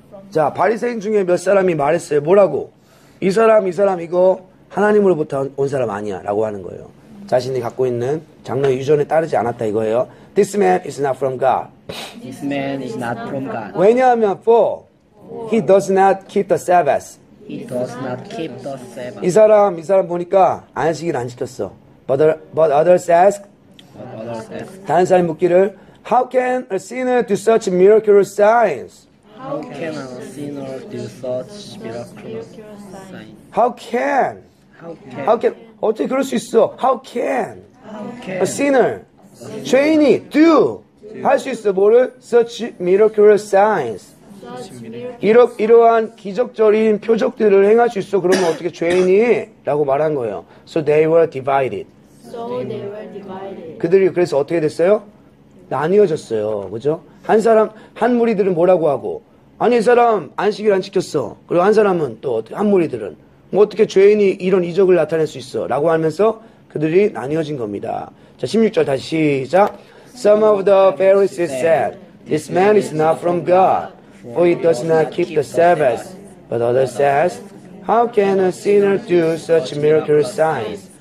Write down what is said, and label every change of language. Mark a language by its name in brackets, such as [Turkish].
[Korean] 자, 바리새인 중에 몇 사람이 말했어요. 뭐라고? 이 사람 이거 하나님으로부터 온 사람 아니야 라고 하는 거예요. 자신이 갖고 있는 장로의 유전에 따르지 않았다 이거예요. [English] This man is not from God. This man is not from God. 왜냐하면 for he does not keep the Sabbath. He does not keep the Sabbath. [Korean] 이 사람 보니까 안식일 안 지켰어. [English] But others ask. [Korean] 다른 사람이 묻기를, [English] How can a sinner do such miraculous signs? How can a sinner do such miraculous signs? [Korean] 어떻게 그럴 수 있어? [English] How can a sinner? Trainee, do. [Korean] 할 수 있어, 뭐를? [English] Such miraculous signs. [Korean] 이러한 기적적인 표적들을 행할 수 있어. 그러면 어떻게 죄인이? 라고 말한 거예요. [English] So they were divided. [Korean] 그들이 그래서 어떻게 됐어요? 나뉘어졌어요. 그죠? 한 무리들은 뭐라고 하고? 아니, 이 사람 안식일 안 지켰어. 그리고 한 사람은 또 어떻게, 한 무리들은? 뭐 어떻게 죄인이 이런 이적을 나타낼 수 있어? 라고 하면서 그들이 나뉘어진 겁니다. 자, 16절 다시 시작. [English] Some of the Pharisees said, This man is not from God, for he does not keep the Sabbath. But others said, How can a sinner do such miraculous signs?